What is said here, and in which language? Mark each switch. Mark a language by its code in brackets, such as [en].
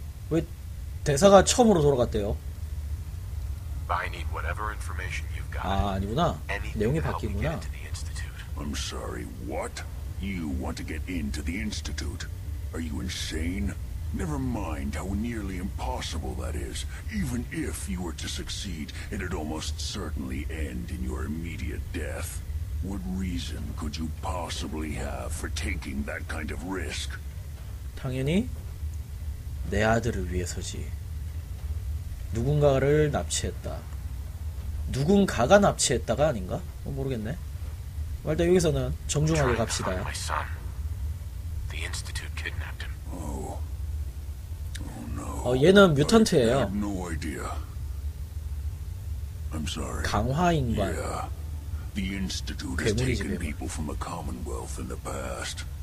[ko] 왜 대사가 처음으로 돌아갔대요? [en] I need whatever information you've got. [ko] 아, 아니구나. 내용이 바뀌구나. [en] I'm sorry. What? You want to get into the Institute? Are you insane? Never mind how nearly impossible that is. Even if you were to succeed, it'd almost certainly end in your immediate death. What reason could you possibly have for taking that kind of risk? [ko] 당연히 내 아들을 위해서지. 누군가를 납치했다. 누군가가 납치했다가 아닌가? 모르겠네. 일단 여기서는 정중하게 갑시다. [en] The Institute kidnapped him. Oh. Oh no. [ko] 얘는 뮤턴트예요. [en] I have no idea. I'm sorry. [ko] 강화인간. [en] The Institute has taken people from the Commonwealth in the past.